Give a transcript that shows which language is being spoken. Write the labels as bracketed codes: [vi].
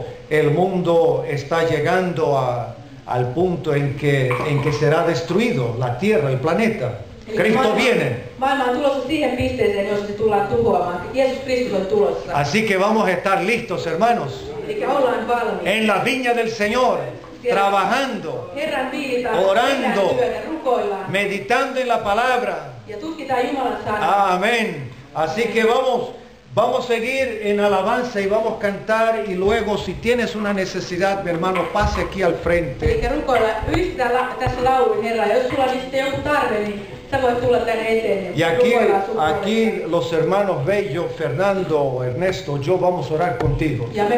[es] El mundo está llegando al punto en que será destruido la tierra, el planeta. Cristo viene. [fi] Maailma on tulossa siihen pisteeseen, jossa se tullaan tuhoamaan. Jeesus Kristus on tulossa. [es] Así que vamos a estar listos, hermanos. [fi] Eli ollaan valmiita. [es] En la viña del Señor. Trabajando. [fi] Herran viinitarhassa. [es] Orando. [fi] Herran työtä, rukoillaan. [es] Meditando en la palabra. [fi] Ja tutkitaan Jumalan sanaa. [es] Amén. Así que vamos a seguir en alabanza y vamos a cantar y luego si tienes una necesidad, mi hermano, pase aquí al frente. [fi] Eli rukoilla, yhdistä tässä laulun, Herra. Jos sulla on sitten joku tarve, niin [es] y aquí los hermanos bellos, Fernando, Ernesto, yo vamos a orar contigo.